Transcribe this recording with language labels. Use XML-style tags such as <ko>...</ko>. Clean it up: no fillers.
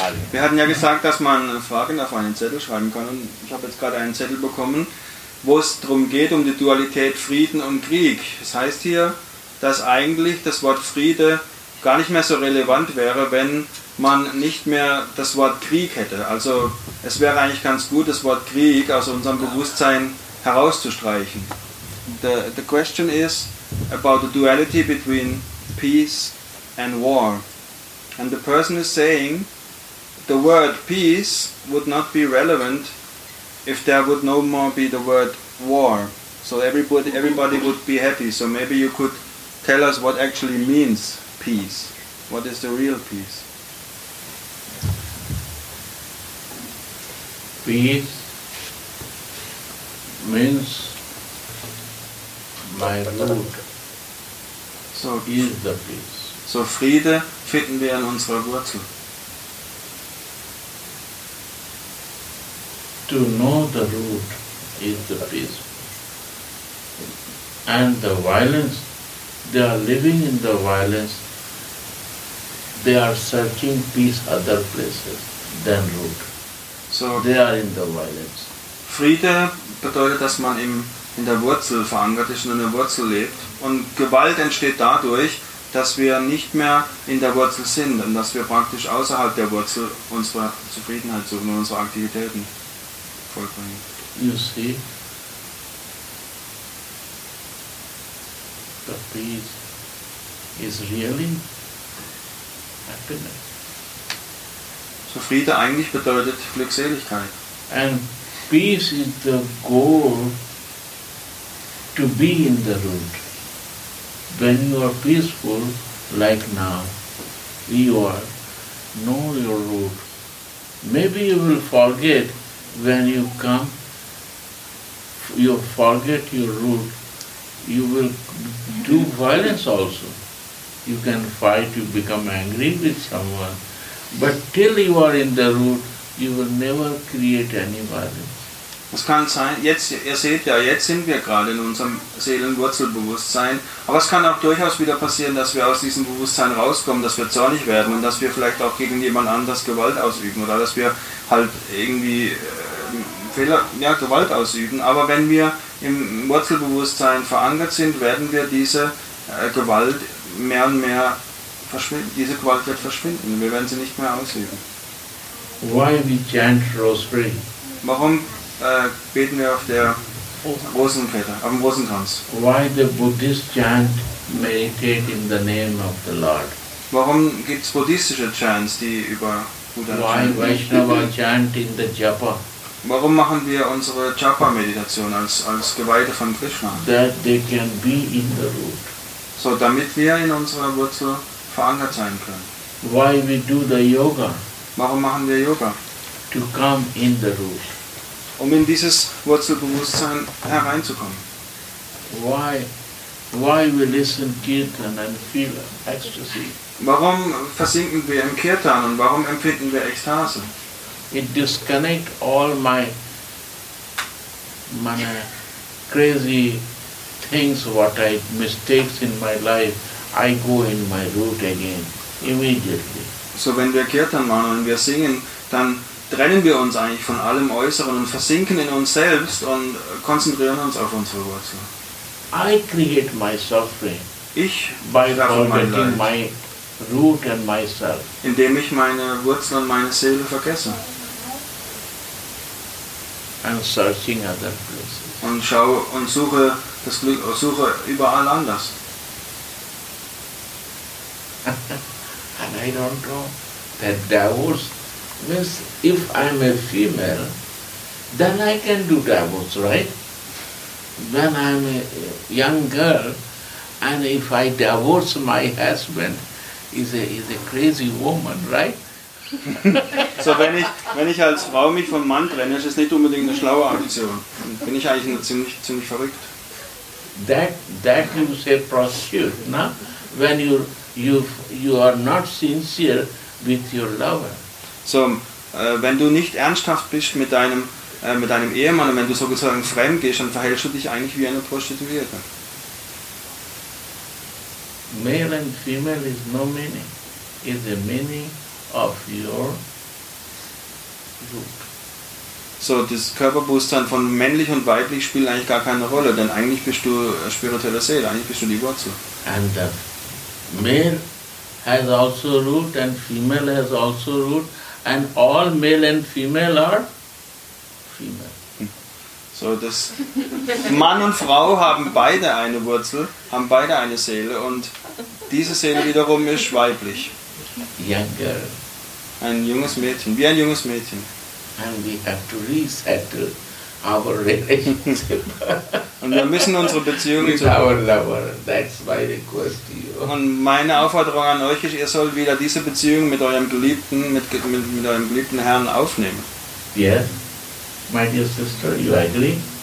<de>Wir hatten ja gesagt, dass man Fragen auf einen Zettel schreiben kann. Und ich habe jetzt gerade einen Zettel bekommen, wo es darum geht, um die Dualität Frieden und Krieg. Das heißt hier, dass eigentlich das Wort Friede gar nicht mehr so relevant wäre, wenn man nicht mehr das Wort Krieg hätte. Also es wäre eigentlich ganz gut, das Wort Krieg aus unserem Bewusstsein herauszustreichen.</de> <en>The question is about the duality between peace and war. And the person is saying the word peace would not be relevant if there would no more be the word war. So everybody would be happy. So maybe you could tell us what actually means peace. What is the real peace? Peace means my root. So is the peace.</en> <de>So Friede finden wir in unserer Wurzel.</de> <en>To know the root is the peace. And the violence, they are living in the violence, they are searching peace other places than root. So they are in the violence.</en> <de>Friede bedeutet, dass man in der Wurzel verankert ist und in der Wurzel lebt. Und Gewalt entsteht dadurch, dass wir nicht mehr in der Wurzel sind und dass wir praktisch außerhalb der Wurzel unsere Zufriedenheit suchen und unsere Aktivitäten vollbringen.</de> <en>You see, the peace is really happiness.</en> <de>So Friede eigentlich bedeutet Glückseligkeit.</de> <en>And peace is the goal to be in the root. When you are peaceful, like now, you are, know your root. Maybe you will forget when you come, you forget your root, you will do violence also. You can fight, you become angry with someone. But till you are in the root, you will never create any violence.</en> <de>Es kann sein, jetzt, ihr seht ja, jetzt sind wir gerade in unserem Seelenwurzelbewusstsein, aber es kann auch durchaus wieder passieren, dass wir aus diesem Bewusstsein rauskommen, dass wir zornig werden und dass wir vielleicht auch gegen jemand anders Gewalt ausüben oder dass wir halt irgendwie Gewalt ausüben. Aber wenn wir im Wurzelbewusstsein verankert sind, werden wir diese Gewalt mehr und mehr verschwinden. Diese Gewalt wird verschwinden. Wir werden sie nicht mehr ausüben.</de> <en>Why we chant rosary?</en> <de>Warum beten wir auf der Rosenkette, auf dem Rosenkranz?</de> <en>Why the Buddhists chant meditate in the name of the Lord?</en> <de>Warum gibt es buddhistische Chants, die über Buddha chanten?</de> <en>Why Vaishnava chant in the Japa?</en> <de>Warum machen wir unsere Japa-Meditation als Geweihte von Krishna?</de> <en>That they can be in the root.</en> <de>So, damit wir in unserer Wurzel verankert sein können.</de> <en>Why we do the Yoga?</en> <de>Warum machen wir Yoga?</de> <en>To come in the root.</en> <de>Um in dieses Wurzelbewusstsein hereinzukommen.</de> <en>Why we listen Kirtan and feel ecstasy?</en> <de>Warum versinken wir im Kirtan und warum empfinden wir Ekstase?</de> <en>It disconnect all my crazy things, what I mistakes in my life. I go in my root again immediately.</en> <de>So wenn wir Kirtan machen und wir singen, dann trennen wir uns eigentlich von allem Äußeren und versinken in uns selbst und konzentrieren uns auf unsere Wurzel.</de> <en>I create my suffering.</en> <de>Ich</de> <en>by forgetting my root and myself.</en> <de>Indem ich meine Wurzel und meine Seele vergesse.</de> <en>And searching other places.</en> <de>Und schaue und suche das Glück, suche überall anders.</de> <en>And I don't know that devils. Means if I am a female, then I can do divorce, right? When I am a young girl, and if I divorce my husband, is a crazy woman, right?</en> <de>So wenn ich als Frau mich vom Mann trenne, ist es nicht unbedingt eine schlaue Ambition. Bin ich eigentlich nur ziemlich verrückt?</de> <en>That you say prostitute, no? When you are not sincere with your lover.</en> <de>So, wenn du nicht ernsthaft bist mit deinem Ehemann und wenn du sozusagen fremd gehst, dann verhältst du dich eigentlich wie eine Prostituierte.</de> <en>Male and female is no meaning. It's the meaning of your root.</en> <de>So, das Körperbewusstsein von männlich und weiblich spielt eigentlich gar keine Rolle, denn eigentlich bist du spirituelle Seele, eigentlich bist du die Wurzel.</de> <en>And the male has also root and female has also root and all male and female are female.</en> <de>So das Mann und Frau haben beide eine Wurzel, haben beide eine Seele und diese Seele wiederum ist weiblich.</de> <en>Young girl.</en> <de>Ein junges Mädchen, wie ein junges Mädchen.</de> <en>And we have to resettle our relationship.</en> <de>Und wir müssen unsere Beziehung</de> <en>with our lover. That's my request to you.</en> <de>Und meine Aufforderung an euch ist, ihr sollt wieder diese Beziehung mit eurem Geliebten, mit eurem geliebten Herrn aufnehmen.</de> <en>Yes, my dear sister, you agree?</en>